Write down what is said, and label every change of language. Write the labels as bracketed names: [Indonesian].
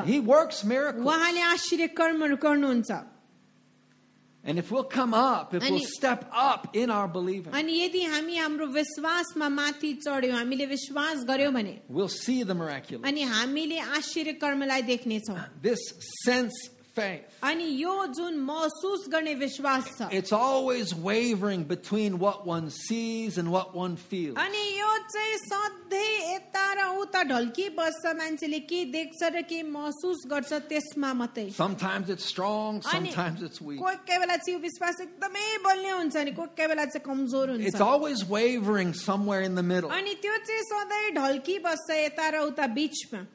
[English] He works miracles. And if we'll come up, if we'll step up in our believing, we'll see the miraculous. This sense faith. [Nepali] अनि यो जुन महसुस गर्ने विश्वास छ. [English] It's always wavering between what one sees and what one feels. [Nepali] अनि यो चाहिँ सधैं यता र उता ढल्की बस्छ मान्छेले के देख्छ र के महसुस गर्छ त्यसमा मात्रै. [English] Sometimes it's strong, sometimes it's weak. [Nepali] कोही कोही बेला चाहिँ विश्वास एकदमै बलियो हुन्छ अनि कोही कोही बेला चाहिँ कमजोर हुन्छ. [English] It's always wavering somewhere in the middle. [Nepali] अनि त्यो चाहिँ सधैं ढल्की बस्छ यता र उता बीचमा.